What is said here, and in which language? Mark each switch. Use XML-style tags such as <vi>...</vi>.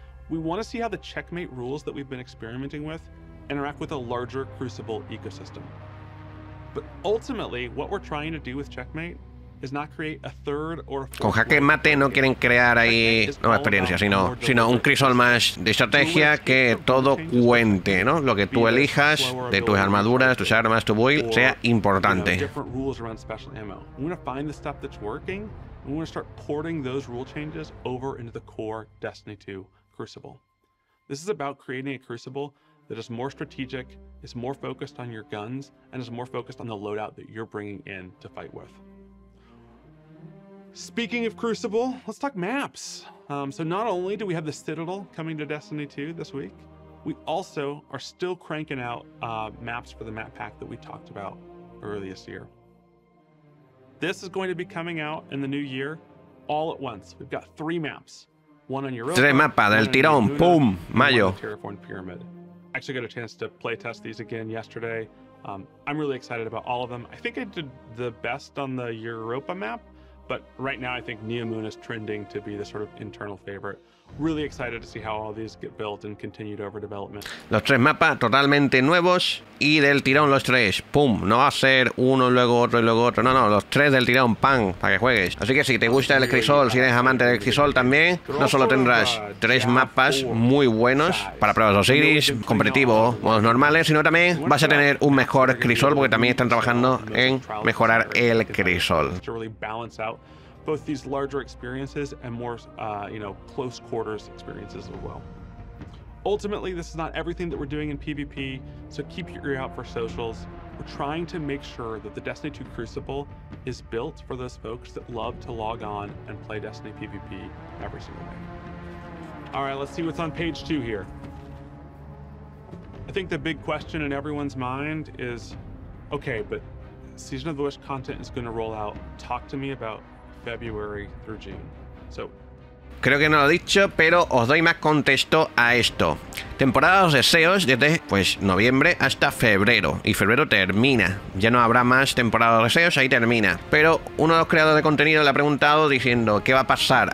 <en>We want to see how the checkmate rules that we've been experimenting with interact with a larger Crucible ecosystem. But ultimately, what we're trying to do with checkmate is not create a third or a fourth.</en> <es>Con Jaque Mate no quieren crear ahí nueva experiencia, sino un crisol más de estrategia que todo cuente, ¿no? Lo que tú elijas de tus armaduras, tus armas, tu build sea importante.</es> <en>We want to start porting those rule changes over into the core Destiny 2 Crucible. This is about creating a Crucible that is more strategic, is more focused on your guns, and is more focused on the loadout that you're bringing in to fight with. Speaking of Crucible, let's talk maps. So not only do we have the Citadel coming to Destiny 2 this week, we also are still cranking out maps for the map pack that we talked about earlier this year. This is going to be coming out in the new year, all at once. We've got three maps, one on Europa.</en> <es>Tres mapas del tirón, pum, mayo.</es> <en>Terraform Pyramid. Actually, got a chance to play test these again yesterday. I'm really excited about all of them. I think I did the best on the Europa map, but right now I think New Moon is trending to be the sort of internal favorite. Really excited to see how all these get built and continued over development.</en> <es>Los tres mapas totalmente nuevos y del tirón los tres. ¡Pum! No va a ser uno, luego otro y luego otro. No, no, los tres del tirón. ¡Pam! Para que juegues. Así que si te gusta el Crisol, si eres amante del Crisol también, no solo tendrás tres mapas muy buenos para pruebas de Osiris, competitivo, modos normales, sino también vas a tener un mejor Crisol porque también están trabajando en mejorar el Crisol.</es> <en>Both these larger experiences and more, close quarters experiences as well. Ultimately, this is not everything that we're doing in PvP, so keep your ear out for socials. We're trying to make sure that the Destiny 2 Crucible is built for those folks that love to log on and play Destiny PvP every single day. All right, let's see what's on page two here. I think the big question in everyone's mind is, okay, but Season of the Wish content is going to roll out. Talk to me about February through June. So,</en> <es>creo que no lo he dicho, pero os doy más contexto a esto. Temporada de los deseos desde pues noviembre hasta febrero. Y febrero termina. Ya no habrá más temporada de los deseos, ahí termina. Pero uno de los creadores de contenido le ha preguntado diciendo, ¿qué va a pasar?</es>